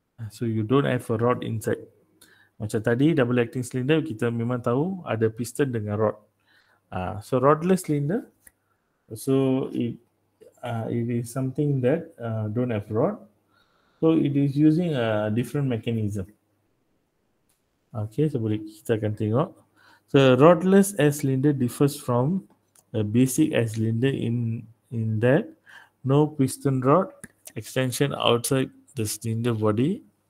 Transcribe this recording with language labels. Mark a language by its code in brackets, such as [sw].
[en] So you don't have a rod inside. [ms] Macam tadi double acting cylinder, kita memang tahu ada piston dengan rod. [en] So rodless cylinder, so it is something that don't have rod. So it is using a different mechanism. [ms] Okay, so boleh kita akan tengok. [en] So rodless air cylinder differs from a basic air cylinder in that no piston rod extension outside the cylinder body.